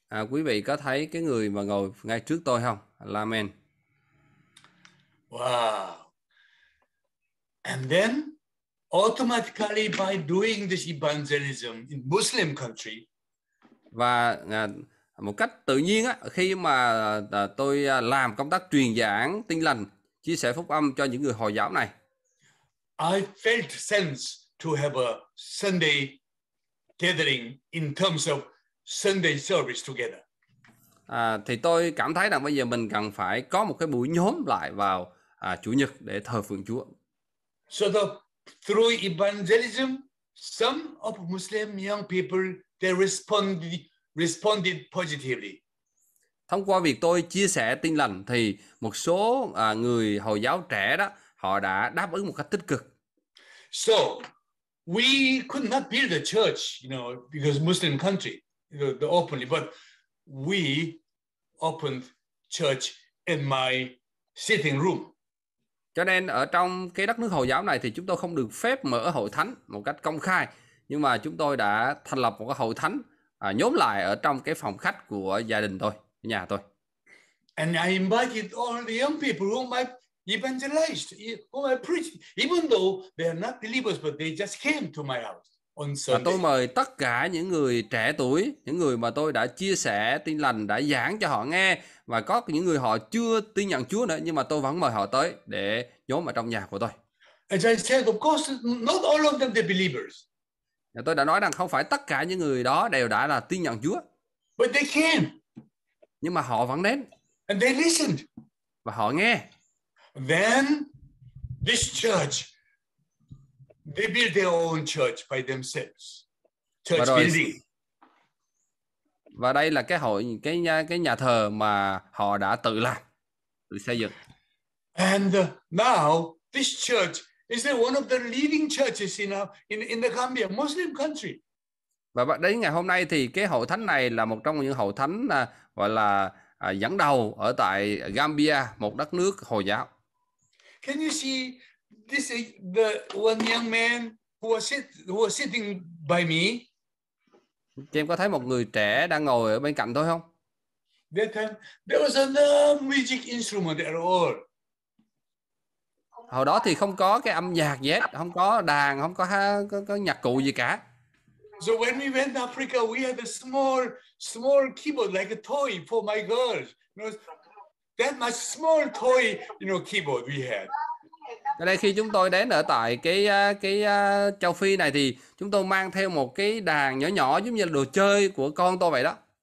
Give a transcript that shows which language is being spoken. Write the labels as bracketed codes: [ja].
[vi] Quý vị có thấy cái người mà ngồi ngay trước tôi không? Lamin. Wow. [en] And then automatically by doing this evangelism in Muslim country. [vi] Và một cách tự nhiên á, khi mà tôi làm công tác truyền giảng tin lành chia sẻ phúc âm cho những người Hồi giáo này. [en] I felt sense to have a Sunday gathering in terms of Sunday service together. [vi] À, thì tôi cảm thấy rằng bây giờ mình cần phải có một cái buổi nhóm lại vào Chủ nhật để thờ phượng Chúa. [en] So the, through evangelism, some of Muslim young people they responded positively. [vi] Thông qua việc tôi chia sẻ tin lành thì một số người Hồi giáo trẻ đó họ đã đáp ứng một cách tích cực. [en] So we could not build a church, you know, because Muslim country, you know, the openly, but we opened church in my sitting room. [vi] Cho nên ở trong cái đất nước Hồi giáo này thì chúng tôi không được phép mở hội thánh một cách công khai, nhưng mà chúng tôi đã thành lập một cái hội thánh nhóm lại ở trong cái phòng khách của gia đình tôi, nhà tôi. [en] And I invited all the young people whom I evangelized, whom I preached, even though they are not believers, but they just came to my house on Sunday. [vi] Tôi mời tất cả những người trẻ tuổi, những người mà tôi đã chia sẻ tin lành, đã giảng cho họ nghe, và có những người họ chưa tin nhận Chúa nữa, nhưng mà tôi vẫn mời họ tới để nhóm ở trong nhà của tôi. [en] As I said, of course, not all of them are believers. [vi] Tôi đã nói rằng không phải tất cả những người đó đều đã là tin nhận Chúa. [en] But they came. [vi] Nhưng mà họ vẫn đến. [en] And they listened. [vi] Và họ nghe. [en] Then this church, they build their own church by themselves. Church building. [vi] Và đây là cái hội, cái nhà thờ mà họ đã tự làm, tự xây dựng. [en] And now this church is one of the leading churches in the Gambia, Muslim country. [vi] Và đến ngày hôm nay thì cái hội thánh này là một trong những hội thánh gọi là dẫn đầu ở tại Gambia, một đất nước Hồi giáo. [en] Can you see this is the one young man who was sitting by me? [vi] Chị em có thấy một người trẻ đang ngồi ở bên cạnh tôi không? [en] That time, there was no music instrument at all. [vi] Hồi đó thì không có cái âm nhạc gì hết, không có đàn, không có có nhạc cụ gì cả. [en] So when we went to Africa, we had a small keyboard like a toy for my girls. You know, that much small toy, you know, keyboard we had. [vi] Cho nên khi chúng tôi đến ở tại cái châu Phi này thì chúng tôi mang theo một cái đàn nhỏ nhỏ giống như là đồ chơi của con tôi vậy đó.